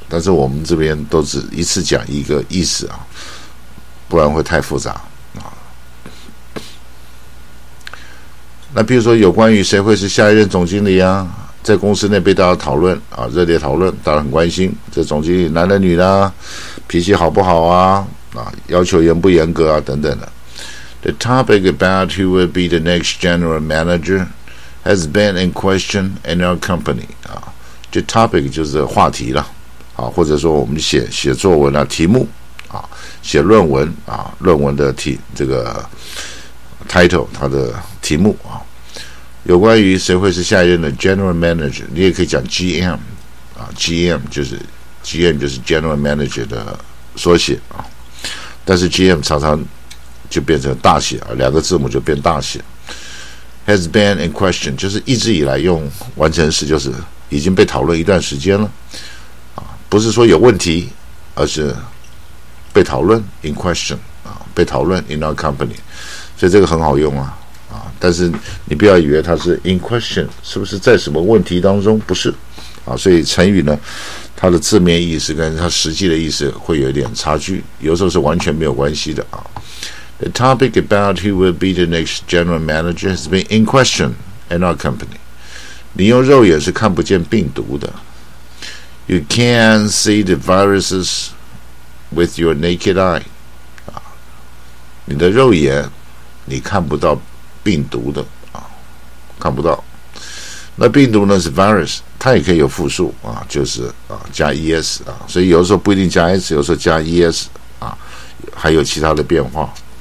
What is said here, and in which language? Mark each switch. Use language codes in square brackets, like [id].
[zh] 但是我们这边都只一次讲一个意思啊，不然会太复杂啊。那比如说有关于谁会是下一任总经理啊，在公司内被大家讨论啊，热烈讨论，大家很关心这总经理男的女的，脾气好不好啊，啊，要求严不严格啊，等等的。 [en] The topic about who will be the next general manager has been in question in our company. [zh] 这 topic 就是话题了。啊，或者说我们写作文的、啊、题目啊，写论文啊，论文的题这个 title 它的题目啊，有关于谁会是下一任的 general manager， 你也可以讲 GM 啊 ，GM 就是 GM 就是 general manager 的缩写啊，但是 GM 常常就变成大写啊，两个字母就变大写。 [en] Has been in question [zh] 就是一直以来用完成式，就是已经被讨论一段时间了，不是说有问题，而是被讨论 in question 啊，被讨论 [en] in our company， [zh] 所以这个很好用啊啊，但是你不要以为它是 in question， 是不是在什么问题当中？不是啊，所以成语呢，它的字面意思跟它实际的意思会有一点差距，有时候是完全没有关系的啊。 [en] The topic about who will be the next general manager has been in question in our company. [zh] 你用肉眼是看不见病毒的。 [en] You can see the viruses with your naked eye. [zh] 你的肉眼你看不到病毒的，看不到。那病毒呢是 virus， 它也可以有复数，就是加 es， 所以有时候不一定加 s， 有时候加 es， 还有其他的变化。